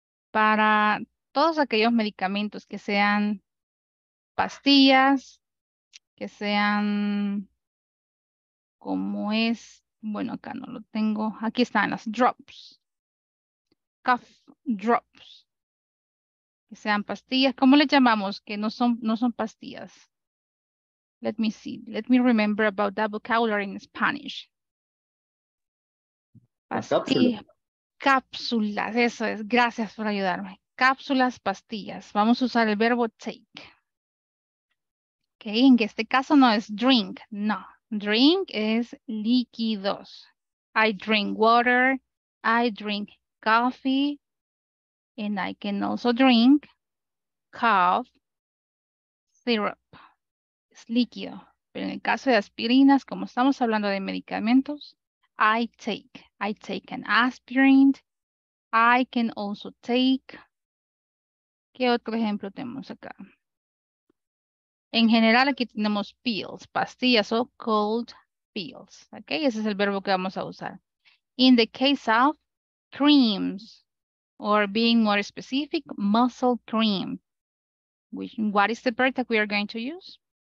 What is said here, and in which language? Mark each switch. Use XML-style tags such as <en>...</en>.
<es>Para todos aquellos medicamentos que sean pastillas, que sean como es, bueno, acá no lo tengo, aquí están las drops, cough drops, que sean pastillas, ¿cómo le llamamos? Que no son pastillas.</es> <en>Let me see. Let me remember about that vocabulary in Spanish.</en> <es>Cápsulas. Eso es. Gracias por ayudarme. Cápsulas, pastillas. Vamos a usar el verbo take. Okay. En este caso no es drink. No. Drink es líquidos.</es> <en>I drink water. I drink coffee. And I can also drink cough syrup.</en> <es>Es líquido, pero en el caso de aspirinas, como estamos hablando de medicamentos,</es> <en>I take an aspirin, I can also take,</en> <es>¿qué otro ejemplo tenemos acá? En general aquí tenemos pills, pastillas o cold pills, ¿ok? Ese es el verbo que vamos a usar.</es> <en>In the case of creams, or being more specific, muscle cream, what is the verb that we are going to use?</en>